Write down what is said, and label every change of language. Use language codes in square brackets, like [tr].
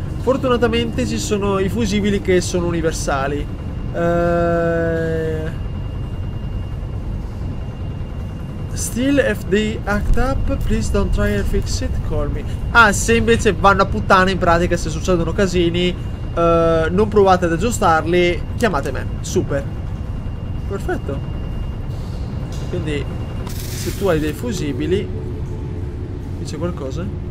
[it] Fortunatamente ci sono i fusibili che sono universali. [en] Still, if they act up, please don't try and fix it, call me. [it] Ah, se invece vanno a puttana, in pratica, se succedono casini, non provate ad aggiustarli, chiamate me. Super. Perfetto. Quindi, se tu hai dei fusibili, dice qualcosa?